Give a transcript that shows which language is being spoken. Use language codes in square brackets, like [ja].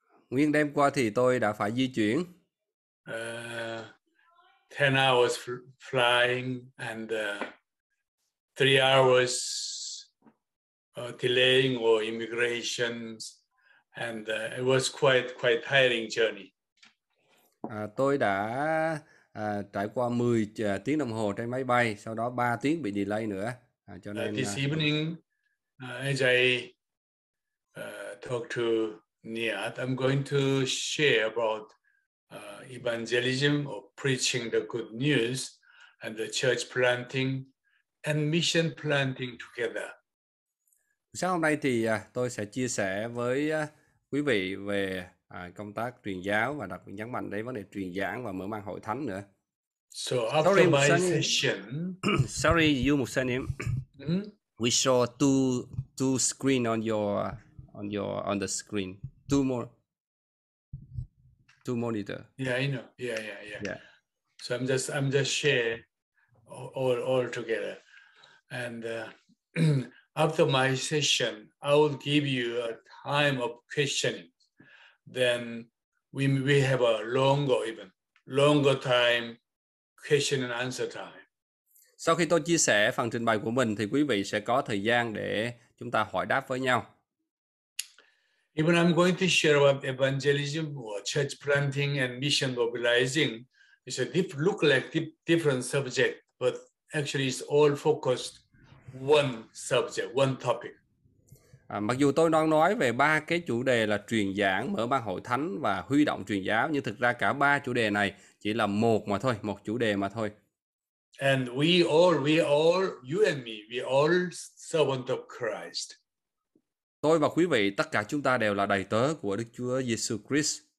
[vi] Nguyên đêm qua thì tôi đã phải di chuyển. [en] 10 hours flying and 3 hours delaying or immigrations, and it was quite tiring journey. [vi] Tôi đã trải qua 10 tiếng đồng hồ trên máy bay, sau đó 3 tiếng bị delay nữa. Cho nên [en] This evening, as I talk to Niat, I'm going to share about evangelism or preaching the good news and the church planting and mission planting together. [vi] Sáng hôm nay thì tôi sẽ chia sẻ với quý vị về công tác truyền giáo và đặc biệt nhấn mạnh đến vấn đề truyền giảng và mở mang hội thánh nữa. [en] So after sorry, my session, sorry, you Musanim. We saw two screen on the screen. Two monitor. Yeah, I know. Yeah. So I'm just share all together. And after my session, I will give you a time of questioning. Then we have a longer time question and answer time. [vi] Sau khi tôi chia sẻ phần trình bày của mình thì quý vị sẽ có thời gian để chúng ta hỏi đáp với nhau. [en] Even I'm going to share about evangelism or church planting and mission mobilizing. It's a different subject, but actually it's all focused one subject, one topic. [vi] Mặc dù tôi đang nói về ba cái chủ đề là truyền giảng, mở mang hội thánh và huy động truyền giáo, nhưng thực ra cả ba chủ đề này chỉ là một chủ đề mà thôi. [en] And we all, you and me, we all servant of Christ. [vi] Tôi và quý vị, tất cả chúng ta đều là đầy tớ của Đức Chúa Jesus Christ.